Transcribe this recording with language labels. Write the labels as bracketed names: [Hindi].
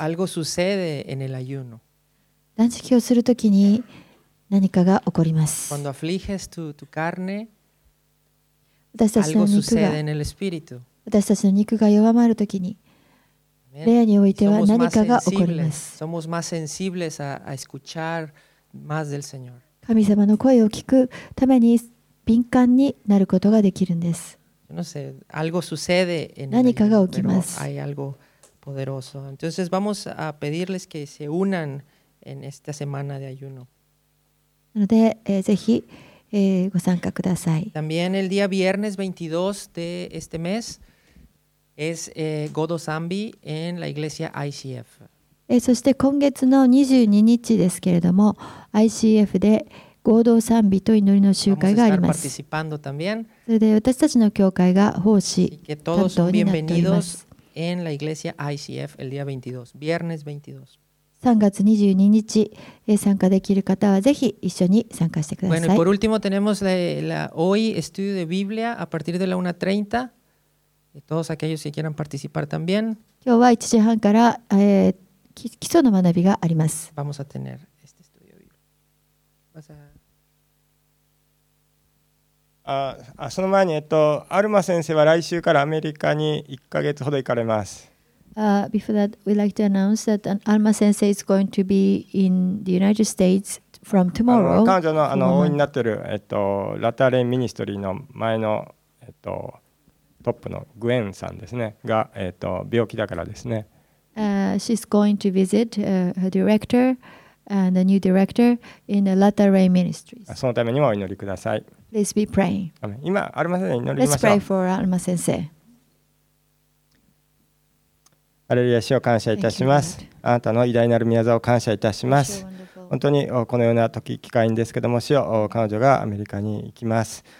[Spanish] algo sucede en el ayuno. [Japanese] 断食をするときに何かが起こります。 [Spanish] cuando afliges tu carne, [Japanese] 私たちの肉が [Spanish] algo sucede en el espíritu. [Japanese] 私たちの肉が弱まるときに霊においては何かが起こります。 [Spanish] Somos más sensibles a escuchar más del Señor. [Japanese] 神様の声を聞くために敏感になることができるんです。 [Spanish] no sé, algo sucede en [Japanese] 何かが起きます。 [Spanish] Hay algo poderoso. Entonces vamos a pedirles que se unan en esta semana de ayuno. [Japanese] なので、ぜひ、ご参加ください。 [Spanish] También el día viernes 22 de este mes es Godosambi en la iglesia ICF. [Japanese] そして今月の22日ですけれども、 ICF で合同賛美と祈りの集会があります。それで私たちの教会が奉仕担当になっております。 [Spanish] En la iglesia ICF el día 22, viernes 22. [Japanese] 3月22日、参加できる方はぜひ一緒に参加してください。 [Spanish] Bueno, por último tenemos la hoy estudio de Biblia a partir de la 1:30. Todos aquellos que quieran participar también. [Japanese] 今日は1時半から、基礎の学びがあります。 [Spanish] Vamos a tener este estudio de Biblia. [Japanese] その前に、アルマ先生は来週からアメリカに1ヶ月ほど行かれます。 [English] Before that, we'd like to announce that Alma sensei is going to be in the United States from tomorrow. [Japanese] 彼女の応援になっている、ラタレンミニストリーの前の、トップのグエンさんですね、が、病気だからですね。 [English] She's going to visit her director and a new director in the Lateran Ministries. [Japanese] そのためにもお祈りください。 [English] Let's be praying. [Japanese] 今アルマ先生に祈りましょう。 [English] Let's pray for Alma 先生。 [Japanese] アレルヤ主を感謝いたします。あなたの偉大なる御業を感謝いたします。本当にこのような時機会ですけども、主よ、彼女がアメリカに行きます。